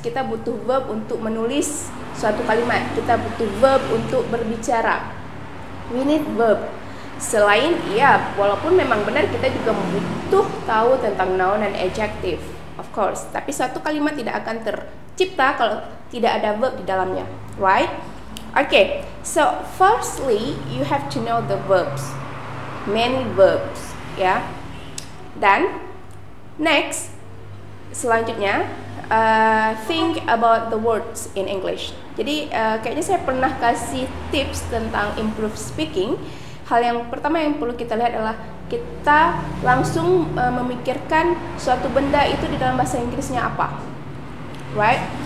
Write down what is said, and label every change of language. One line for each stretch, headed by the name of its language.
Indonesian: Kita butuh verb untuk menulis suatu kalimat. Kita butuh verb untuk berbicara.
English: We need verb.
Indonesian: Selain ya, walaupun memang benar kita juga butuh tahu tentang
English: noun and adjective, of course.
Indonesian: Tapi satu kalimat tidak akan tercipta kalau tidak ada verb di dalamnya, right? Okay.
English: So firstly, you have to know the verbs, many verbs, ya. Yeah. Dan next,
Indonesian: selanjutnya,
English: think about the words in English.
Indonesian: Jadi kayaknya saya pernah kasih tips tentang
English: improve speaking.
Indonesian: Hal yang pertama yang perlu kita lihat adalah kita langsung memikirkan suatu benda itu di dalam bahasa Inggrisnya apa, right?